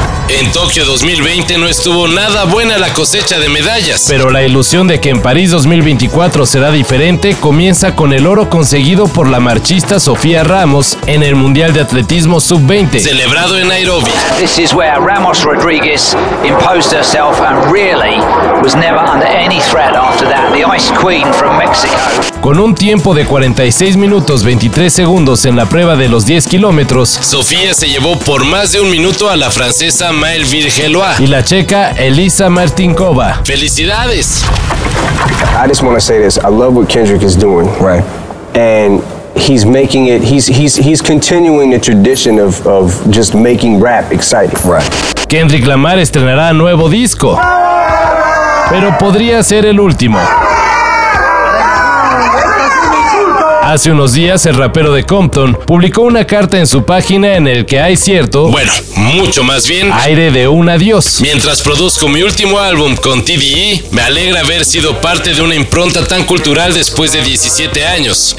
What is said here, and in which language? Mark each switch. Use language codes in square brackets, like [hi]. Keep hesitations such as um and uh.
[es] En Tokio 2020 no estuvo nada buena la cosecha de medallas. Pero la ilusión de que en París 2024 será diferente comienza con el oro conseguido por la marchista Sofía Ramos en el Mundial de Atletismo Sub-20, celebrado en Nairobi. [en] This is where Ramos Rodriguez imposed herself and really was never under any threat after that. The Ice Queen from Mexico. [es] Con un tiempo de 46 minutos 23 segundos en la prueba de los 10 kilómetros, Sofía se llevó por más de un minuto a la francesa y la checa, Elisa Martinkova. ¡Felicidades! [en] I just want to say this. I love what Kendrick is doing. Right. And he's making it, he's, he's, he's continuing the tradition of, of just making rap exciting. [es] Right. Kendrick Lamar estrenará nuevo disco. Pero podría ser el último. Hace unos días el rapero de Compton publicó una carta en su página en el que hay cierto, bueno, mucho más bien, aire de un adiós. Mientras produzco mi último álbum con TDE, me alegra haber sido parte de una impronta tan cultural después de 17 años.